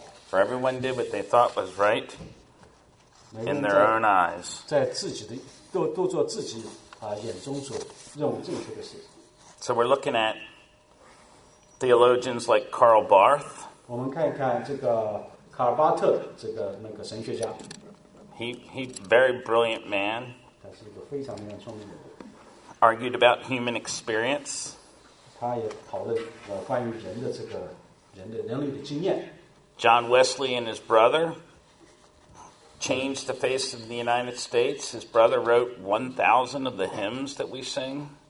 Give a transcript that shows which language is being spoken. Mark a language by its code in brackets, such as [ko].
[en] For everyone did what they thought was right in their own eyes. [zh] 在自己的都做自己眼中所认为正确的事。 [en] So we're looking at theologians like Karl Barth. [zh] 我们看一看这个卡尔巴特，这个那个神学家。 [en] He very brilliant man. [zh] 他是一个非常非常聪明的人。 [en] Argued about human experience. [zh] 他也讨论关于人的这个人类的经验。 [en] John Wesley and his brother changed the face of the United States. His brother wrote 1,000 of the hymns that we sing.